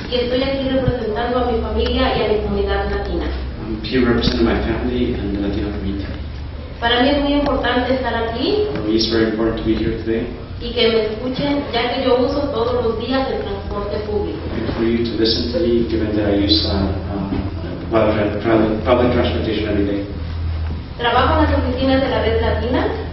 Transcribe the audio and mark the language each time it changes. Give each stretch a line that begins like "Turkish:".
Spanish: Y estoy aquí representando a mi familia y a mi comunidad latina.
English: I'm here representing my family and the Latino community.
Spanish: Para mí es muy importante estar aquí.
English: For me it's very important to be here today.
Spanish: Y que me escuchen, ya que yo uso todos los días el transporte público.
English: And for you to listen to me, given that I use public transportation every day.
Spanish: Trabajo en las oficinas de la red latina.